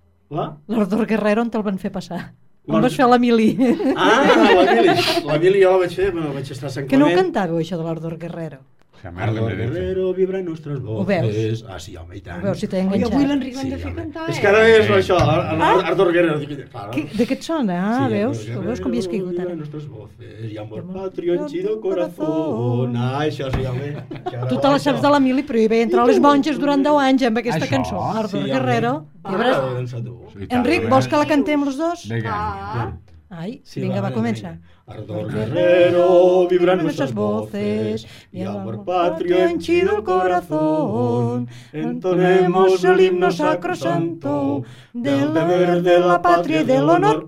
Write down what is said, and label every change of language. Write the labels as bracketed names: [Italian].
[Catalan] L'Ordor Guerrero, on te'l van fer passar? On vas fer la mili? Ah, la mili jo la vaig fer, bueno, vaig estar sencament... Que no ho cantàveu, això de l'Ordor Guerrero? L'Ordor Guerrero vibra nostres voces. Ah, sí, home, i tant. Ho veus, si t'he enganxat. Avui l'Enric l'hem de fer cantar. És que ara és això, l'Ordor Guerrero. De què et sona, ah, veus? Ho veus com hi has caigut ara? [Spanish] Vibra nostres voces, y amor patrio en chido corazón. [Catalan] Ah, això sí, home. Tu te la saps de la mili, però hi veia entre les monges durant 10 anys amb aquesta cançó. L'Ordor Guerrero. Ara, d'on sa tu. Enric, vols que la cantem els dos? Vinga. Ai, sí, vinga, va, comença. [Spanish] Ardor guerrero, vibran nuestras voces, mi amor patrio henchido el corazón, entonemos el himno sacrosanto del deber de la patria y del honor.